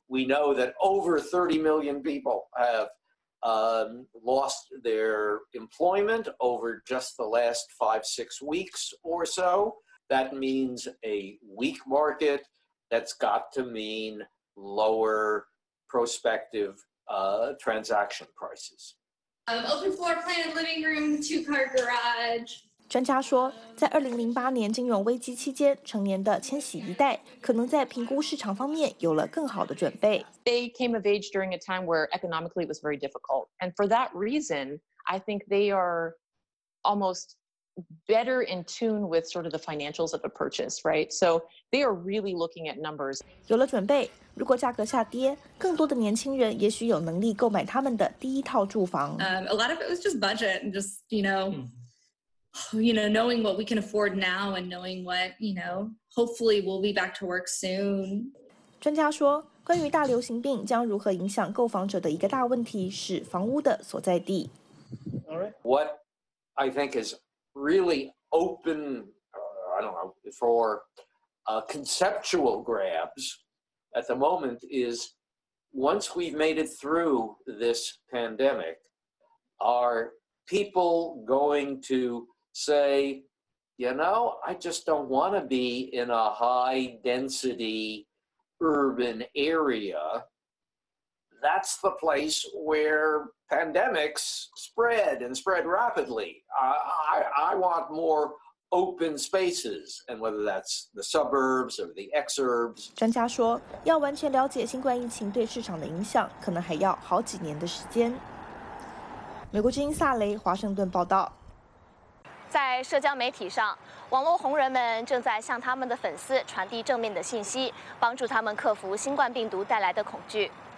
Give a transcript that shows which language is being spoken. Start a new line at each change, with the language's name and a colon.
English: We know that over 30 million people have lost their employment over just the last 5-6 weeks or so. That means a weak market. That's got to mean lower prospective transaction prices. Open floor plan, living room, two-car garage.
Chinese: 专家说，在2008年金融危机期间，成年的千禧一代可能在评估市场方面有了更好的准备。
English: They came of age during a time where economically it was very difficult, and for that reason, I think they are almost better in tune with sort of the financials of a purchase, right? So they are really looking at numbers.
Chinese: 有了准备，如果价格下跌，更多的年轻人也许有能力购买他们的第一套住房。
English: A lot of it was just budget and just you know. You know, knowing what we can afford now and knowing what, you know, hopefully we'll be back to work soon.
Chinese: 专家说，关于大流行病将如何影响购房者的一个大问题是房屋的所在地。
English: What I think is really open, I don't know, for conceptual grabs at the moment is once we've made it through this pandemic, are people going to say, you know, I just don't want to be in a high density urban area. That's the place where pandemics spread and spread rapidly. I want more open spaces, and whether that's the suburbs or the exurbs.
Chinese: 专家说，要完全了解新冠疫情对市场的影响，可能还要好几年的时间。美国之音萨雷，华盛顿报道。在社交媒体上，网络红人们正在向他们的粉丝传递正面的信息，帮助他们克服新冠病毒带来的恐惧。